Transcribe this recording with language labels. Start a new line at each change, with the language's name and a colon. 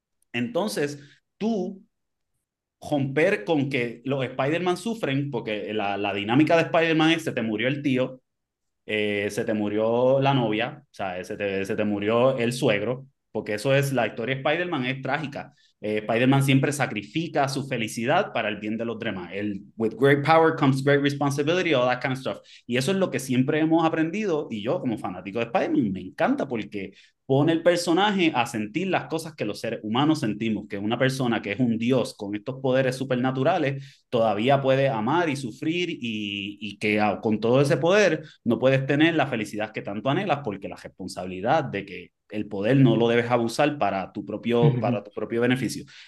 Spanish: Entonces, tú romper con que los Spider-Man sufren, porque la dinámica de Spider-Man es, se te murió el tío, se te murió la novia, o sea, se te murió el suegro, porque eso es, la historia de Spider-Man es trágica. Spider-Man siempre sacrifica su felicidad para el bien de los demás.
English: With great power comes great responsibility, all that kind of stuff.
Spanish: Y eso es lo que siempre hemos aprendido, y yo como fanático de Spider-Man me encanta porque pone el personaje a sentir las cosas que los seres humanos sentimos, que una persona que es un dios con estos poderes supernaturales todavía puede amar y sufrir y que con todo ese poder no puedes tener la felicidad que tanto anhelas porque la responsabilidad de que el poder no lo debes abusar para tu propio beneficio.